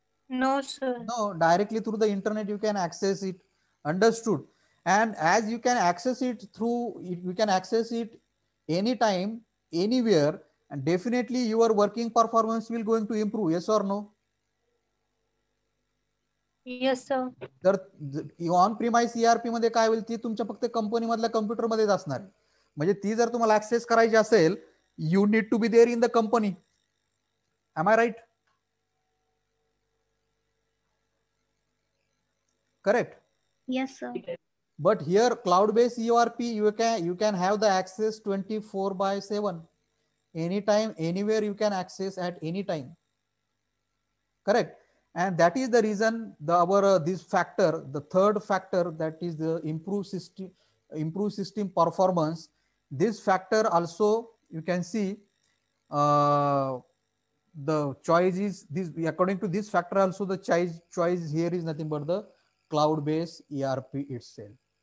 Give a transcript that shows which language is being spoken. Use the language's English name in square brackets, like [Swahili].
[English] No, sir. No, directly through the internet you can access it. Understood. And as you can access it through, you can access it anytime, anywhere, and definitely your working performance will going to improve. Yes or no? Yes, sir. [Marathi] On premise ERP मध्ये काय होईल ती तुमच्या फक्त company मधल्या computer मध्येच असणार आहे. म्हणजे ती जर तुम्हाला ऍक्सेस करायची असेल, [English] You need to be there in the company. Am I right? Correct. Yes, sir. But here cloud based ERP you can have the access 24/7. Any time anywhere you can access at any time. Correct. And that is the reason the our this factor, the third factor, that is the improve system performance. This factor also, you can see the choice is this, according to this factor also the choice here is nothing but the cloud based ERP itself.